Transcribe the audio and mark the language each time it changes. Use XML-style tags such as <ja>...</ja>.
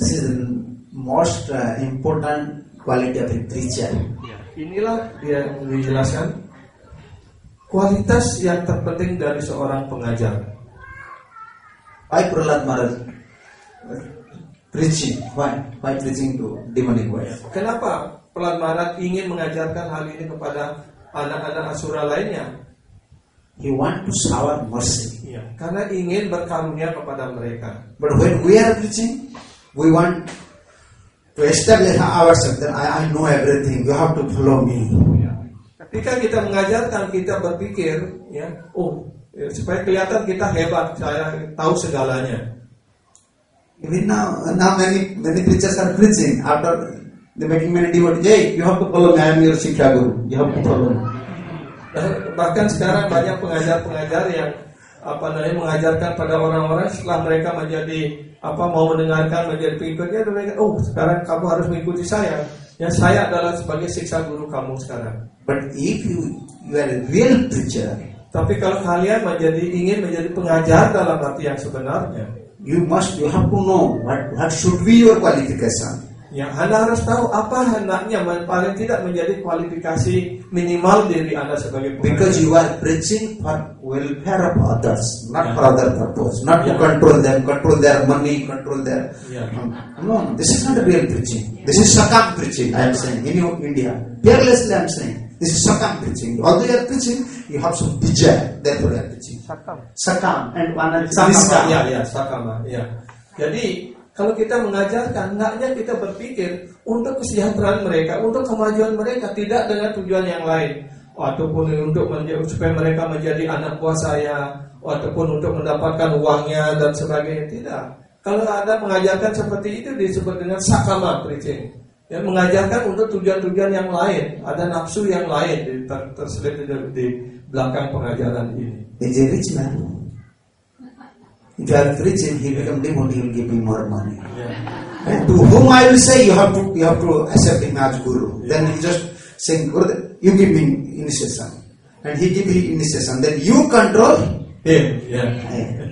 <en>This is most important quality of a preacher.</en> <id>Inilah dia yang dijelaskan kualitas yang terpenting dari seorang pengajar.</id> <en>Why Prahlad Maharaj preaching? Why preaching to demonic boys?</en> <id>Kenapa Prahlad Maharaj ingin mengajarkan hal ini kepada anak-anak asura lainnya?</id> <en>He want to shower mercy.</en> <id>Karena ingin berkarunia kepada mereka.</id> <en>But when we are preaching, we want to establish ourselves that I know everything, you have to follow me.</en> <id>Ketika kita mengajarkan, kita berpikir, ya, supaya kelihatan kita hebat, saya tahu segalanya.</id> <en>Even now many preachers are preaching after the making many devotees, hey, you have to follow me, I am your Sikha Guru, you have to follow me.</en> <id>Bahkan sekarang banyak pengajar-pengajar yang mengajarkan pada orang-orang, setelah mereka menjadi mau mendengarkan, menjadi pengikutnya, mereka, sekarang kamu harus mengikuti saya. Ya, saya adalah sebagai siksa guru kamu sekarang.</id> <en>But if you are a real teacher,</en> <id>tapi kalau kalian ingin menjadi pengajar dalam arti yang sebenarnya,</id> <en>you have to know what should be your qualification.</en> <id>Yang Anda harus tahu apa hendaknya, paling tidak menjadi kualifikasi minimal diri Anda sebagai pengajar.</id> <en>Because you are preaching for welfare of others, not for other purpose, not to control them, control their money, control their. No, this is not a real preaching. This is sakam preaching. I am saying in your India, fearlessly I am saying this is sakam preaching. Although you are preaching, you have some desire, therefore you are preaching.</en> <sa>Sakam</sa> <en>and one</en> <id>sakam. Yeah, yeah, sakam. Yeah. Jadi kalau kita mengajarkan, enggaknya kita berpikir untuk kesejahteraan mereka, untuk kemajuan mereka, tidak dengan tujuan yang lain, ataupun untuk supaya mereka menjadi anak buah saya, ataupun untuk mendapatkan uangnya dan sebagainya, tidak. Kalau Anda mengajarkan seperti itu disebut dengan sakama preaching, ya, mengajarkan untuk tujuan-tujuan yang lain, ada nafsu yang lain terselip di belakang pengajaran ini.</id> <en>Is it rich man? If you are preaching, he become demon, he will give me more money. Yeah. And to whom I will say, you have to accept him as guru. Yeah. Then he just saying, Guru, you give me initiation. And he give me initiation. Then you control him. Yeah.</en>